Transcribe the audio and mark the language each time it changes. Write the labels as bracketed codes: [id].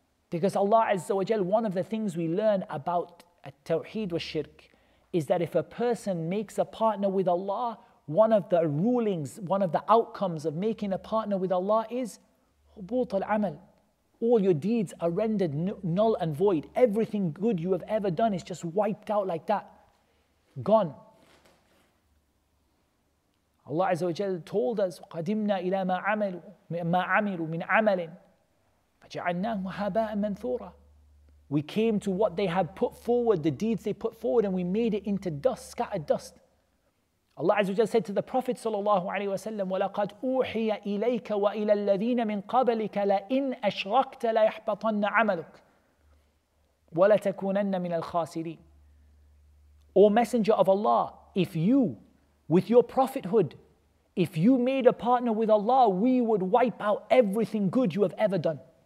[en] Because Allah Azza wa Jal, one of the things we learn about At-Tawheed wa Shirk is that if a person makes a partner with Allah, one of the rulings, one of the outcomes of making a partner with Allah is hubut al-amal. All your deeds are rendered null and void. Everything good you have ever done is just wiped out like that. Gone. Allah Azza wa Jal told us, [ar] قَدِمْنَا إِلَى مَا عَمِلُوا مِنْ عَمَلٍ فَجَعَلْنَاهُ هَبَاءً مَنْثُورًا. [en] We came to what they had put forward, the deeds they put forward, and we made it into dust, scattered dust. Allah Azza wa Jalla said to the Prophet sallallahu alaihi wasallam, [ar] وَلَقَدْ أُوحِيَ إِلَيْكَ وَإِلَى الَّذِينَ مِنْ قَبْلِكَ لَإِنْ أَشْرَكْتَ لَيَحْبَطَنَّ عَمَلُكَ وَلَتَكُونَنَّ مِنَ الْخَاسِرِينَ. [en] O Messenger of Allah, if you, with your prophethood, if you made a partner with Allah, we would wipe out everything good you have ever done.